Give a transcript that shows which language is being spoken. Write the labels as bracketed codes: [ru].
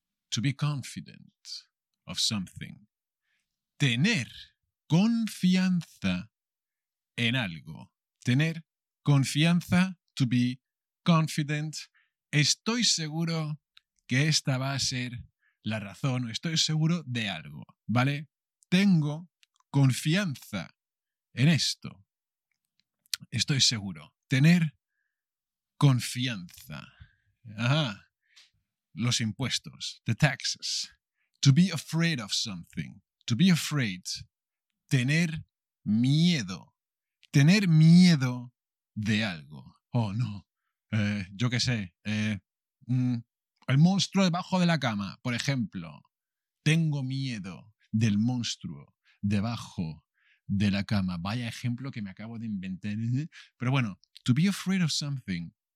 [en] To be confident of something. [es] Tener confianza en algo. Tener confianza. [en] To be confident. [es] Estoy seguro que esta va a ser la razón, estoy seguro de algo, ¿vale? Tengo confianza en esto. Estoy seguro. Tener confianza. Ajá. Los impuestos. [en] The taxes. To be afraid of something. To be afraid. [es] Tener miedo. Tener miedo de algo. Oh, no. Yo qué sé. El monstruo debajo de la cama, por ejemplo. Tengo miedo del monstruo debajo de la cama. Vaya ejemplo que me acabo de inventar. Pero bueno, [en] to be afraid of something.